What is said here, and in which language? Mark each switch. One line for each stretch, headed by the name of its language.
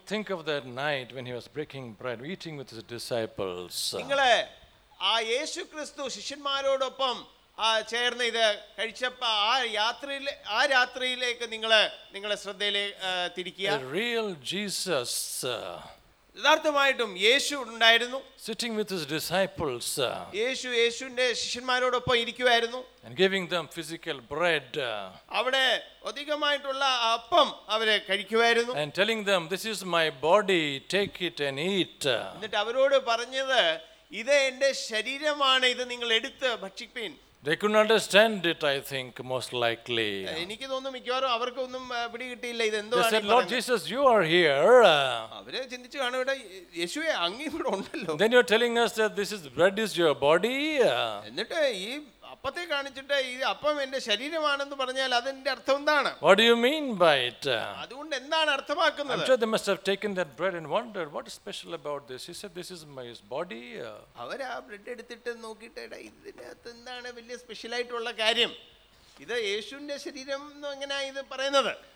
English: Think of that night when he was breaking bread, eating with his disciples.
Malayalam: നിങ്ങളെ ആ യേശുക്രിസ്തു ശിഷ്യന്മാരോടൊപ്പം ചേർന്ന് ഇത് കഴിച്ചപ്പോ ആ രാത്രിയിലേക്ക് നിങ്ങളെ ശ്രദ്ധയിലേക്ക് തിരിക്കുക.
English: Real Jesus.
Malayalam: യഥാർത്ഥമായിട്ടും യേശു ഉണ്ടായിരുന്നു.
English: Sitting with his disciples.
Malayalam: യേശു യേശുവിന്റെ ശിഷ്യന്മാരോടൊപ്പം ഇരിക്കുവായിരുന്നു.
English: And giving them physical bread.
Malayalam: അവിടെ അധികമായിട്ടുള്ള അപ്പം അവരെ കഴിക്കുവായിരുന്നു.
English: And telling them, "This is my body. Take it and eat."
Malayalam: എന്നിട്ട് അവരോട് പറഞ്ഞു, ഇത് എന്റെ ശരീരമാണ്, ഇത് നിങ്ങൾ എടുത്ത് ഭക്ഷിപ്പീൻ.
English: They could not understand it, I think, most likely.
Malayalam: എനിക്ക് തോന്നുന്നു മിക്കവാറും അവർക്കൊന്നും പിടി കിട്ടിയില്ല ഇതെന്തോ.
English: They said, "Lord Jesus, you are here."
Malayalam: അവര് ചിന്തിച്ചു കാണും, ഇവിടെ യേശുവേ അങ്ങ് ഇവിടെ ഉണ്ടല്ലോ.
English: Then you are telling us that this is bread is your body.
Malayalam: എന്നിട്ട് ഈ അപ്പത്തെ കാണിച്ചിട്ട് ഈ അപ്പം എന്റെ ശരീരമാണെന്ന് പറഞ്ഞാൽ അതിന്റെ അർത്ഥം എന്താണ്?
English: What do you mean by it?
Malayalam: അതുകൊണ്ട് എന്താണ് അർത്ഥമാക്കുന്നത്?
English: I'm sure they must have taken that bread and wondered, what is special about this? He said, "This is my body."
Malayalam: അവർ ആ ബ്രെഡ് എടുത്തിട്ട് നോക്കിയിട്ട് ഇതിനകത്ത് എന്താണ് വലിയ സ്പെഷ്യൽ ആയിട്ടുള്ള കാര്യം? ഇത് യേശുവിന്റെ ശരീരം എന്ന് എങ്ങനെയാ ഇത് പറയുന്നത്?